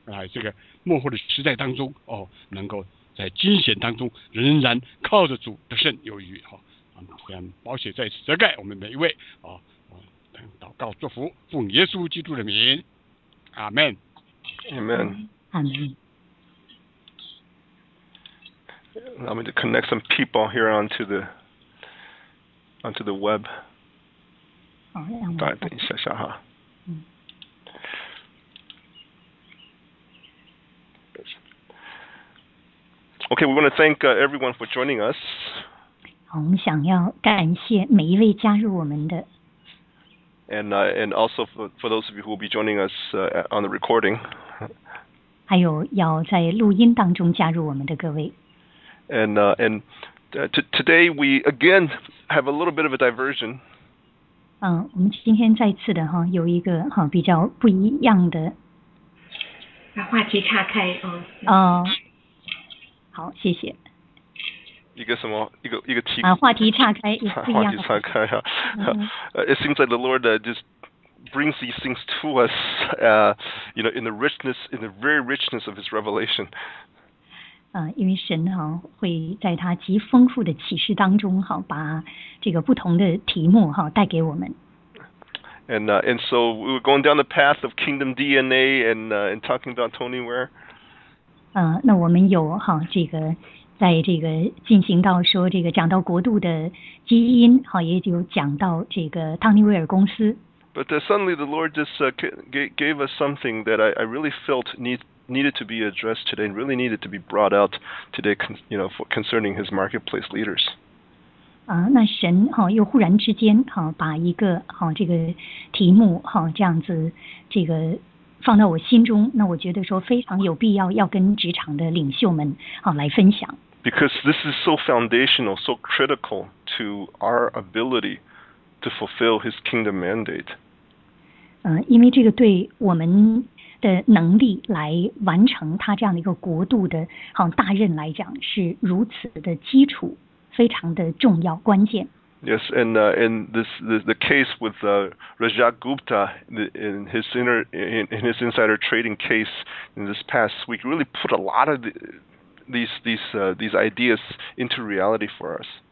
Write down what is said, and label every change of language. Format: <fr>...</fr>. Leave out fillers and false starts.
<zh>这个幕后的时代当中能够在惊险当中仍然靠着主得胜有余保险再次遮盖我们每一位祷告祝福奉耶稣基督的名阿们阿们阿们。</zh> <en>Allow me to connect some people here onto the web.</en> <zh>好，等一下下哈。</zh> <en>Okay, we want to thank everyone for joining us.</en> <zh>好，我们想要感谢每一位加入我们的。</zh> <en>And also for those of you who will be joining us on the recording.</en> <zh>还有要在录音当中加入我们的各位。</zh> <en>And today we again have a little bit of a diversion.</en> <zh>我们今天再次的哈有一个哈比较不一样的。把话题岔开好，谢谢。一个什么？一个题啊？话题岔开，也不一样。话题岔开哈。</zh> <en>It seems like the Lord just brings these things to us, in the richness, in the very richness of His revelation.</en> <zh>因为神哈会在他极丰富的启示当中哈，把这个不同的题目哈带给我们。</zh> <en>And so we were going down the path of kingdom DNA and talking about Tony Ware.</en> <zh>那我们有好这个在这个进行到说这个讲到国度的基因，好也就讲到这个汤尼威尔公司。</zh> <en>But suddenly the Lord just gave us something that I really felt needed to be addressed today and really needed to be brought out today, you know, for concerning his marketplace leaders.</en> <zh>那神好又忽然之间好把一个好这个题目好这样子这个放到我心中，那我觉得说非常有必要要跟职场的领袖们好来分享。</zh> <en>Because this is so foundational, so critical to our ability to fulfill His kingdom mandate.</en> <zh>因为这个对我们的能力来完成他这样的一个国度的好大任来讲是如此的基础，非常的重要关键。</zh> <en>Yes, and this the case with Rajat Gupta in his insider trading case in this past week really put a lot of these ideas into reality for us.</en>